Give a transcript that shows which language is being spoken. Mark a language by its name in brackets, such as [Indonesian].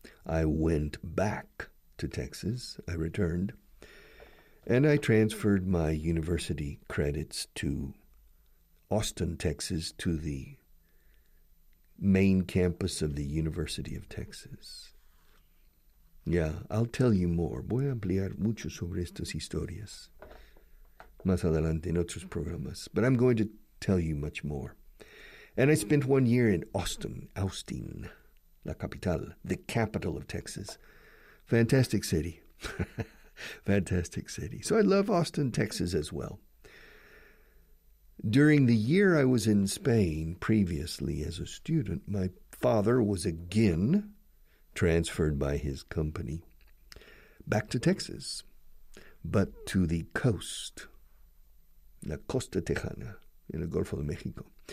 [English] I went back to Texas. I returned. And I transferred my university credits to Austin, Texas, to the main campus of the University of Texas. Yeah, I'll tell you more. [Spanish] Voy a ampliar mucho sobre estas historias más adelante en otros programas. [English] But I'm going to tell you much more. And I spent 1 year in Austin, [Spanish] la capital, [English] the capital of Texas. Fantastic city. Fantastic city. So I love Austin, Texas as well. During the year I was in Spain previously as a student, my father was again transferred by his company back to Texas, but to the coast, [Spanish] la Costa Tejana, en el Golfo de México.